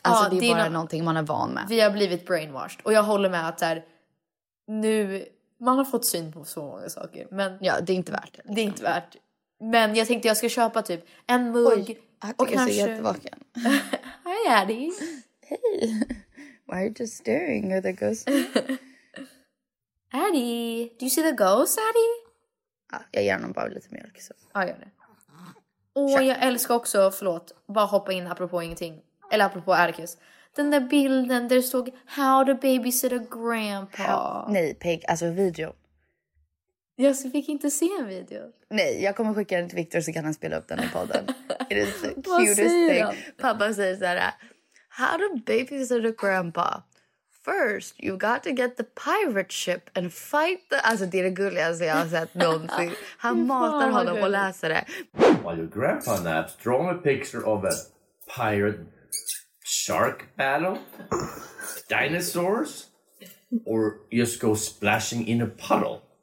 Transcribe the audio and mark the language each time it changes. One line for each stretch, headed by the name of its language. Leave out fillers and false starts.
Swedish: Alltså, ja, det är bara någonting man är van med. Vi har blivit brainwashed. Och jag håller med att så här, nu, man har fått syn på så många saker. Men ja, det är inte värt det. Liksom. Det är inte värt det. Men jag tänkte jag ska köpa typ en mugg. Och jag kanske... är så jättevaken.
English: Hi Addy. Hey. Why are you just staring at the ghost? Addy. Do you see the ghost, Addy?
Swedish: Ja, jag gärna bara lite mjölk. Så. Ja, gör det. Och jag älskar också, förlåt, bara hoppa in apropå ingenting. Eller apropå Arcus. Den där bilden där det stod
English: How to babysit a grandpa.
Swedish: Nej, Pig. Alltså video. Jag fick inte se en video. Nej, jag kommer skicka den till Victor så kan han spela upp den i podden.
English: It is the cutest thing.
Swedish: Pappa säger så här:
English: How to babysit a grandpa? First, you got to get the pirate ship and fight the...
Swedish: Alltså, det är det gulligaste jag har sett någonsin. Han matar honom och läser det.
English: While your grandpa naps, draw a picture of a pirate shark battle, dinosaurs, or just go splashing in a puddle.